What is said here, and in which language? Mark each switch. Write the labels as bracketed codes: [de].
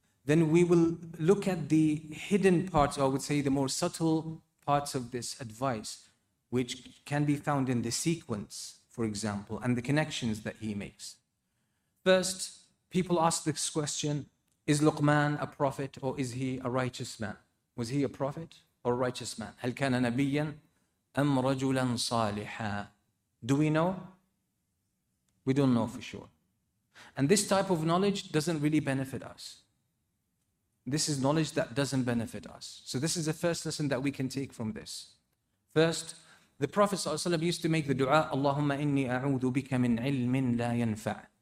[en] Then we will look at the hidden parts, or I would say the more subtle parts of this advice, which can be found in the sequence, for example, and the connections that he makes. First, people ask this question, is Luqman a prophet or is he a righteous man? Was he a prophet or a righteous man? [ar] هل كان نبيا أم رجلا صالحا? [en] Do we know? We don't know for sure. And this type of knowledge doesn't really benefit us. This is knowledge that doesn't benefit us. So this is the first lesson that we can take from this. First, the Prophet ﷺ used to make the dua, [ar] Allahumma inni a'udhu bika min ilmin la yanfa'.